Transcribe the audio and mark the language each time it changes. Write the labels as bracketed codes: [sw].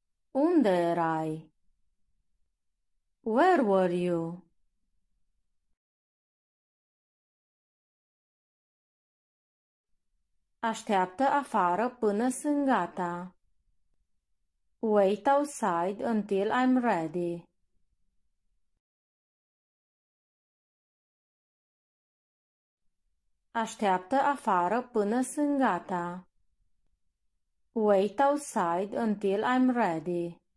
[ro] Unde erai? [en] Where were you? [ro] Așteaptă afară până sunt gata. [en] Wait outside until I'm ready. [ro] Așteaptă afară până sunt gata. [en] Wait outside until I'm ready.